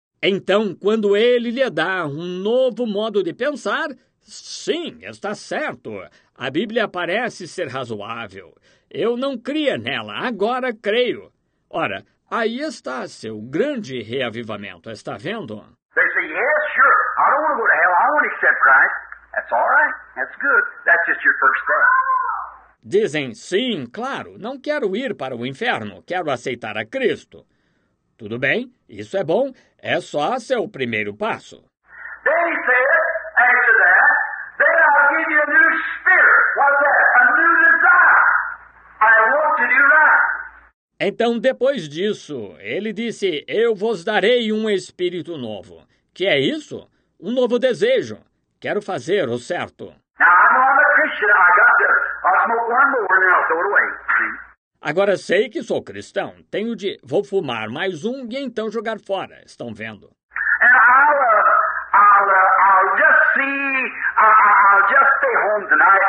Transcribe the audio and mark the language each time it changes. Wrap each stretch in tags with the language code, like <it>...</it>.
<pt>Então, quando ele lhe dá um novo modo de pensar, sim, está certo. A Bíblia parece ser razoável. Eu não cria nela, agora creio. Ora, aí está seu grande reavivamento, está vendo?</pt> <en>They say, yes, sure. I don't want to go to hell. I want to accept Christ. That's all right. That's good. That's just your first step.</en> <pt>Dizem, sim, claro, não quero ir para o inferno. Quero aceitar a Cristo. Tudo bem, isso é bom. É só seu primeiro passo.</pt> <en>They say, after that, then I'll give you a new spirit. What's that? A new desire. I want to do right.</en> <pt>Então, depois disso, ele disse, eu vos darei um espírito novo. Que é isso? Um novo desejo. Quero fazer o certo.</pt> <en>Now, I know I'm a Christian. I got to. I'll smoke one more and then I'll throw it away.</en> <pt>Agora sei que sou cristão. Tenho de... Vou fumar mais um e então jogar fora. Estão vendo?</pt> <en>And I'll just see... I'll just stay home tonight.</en>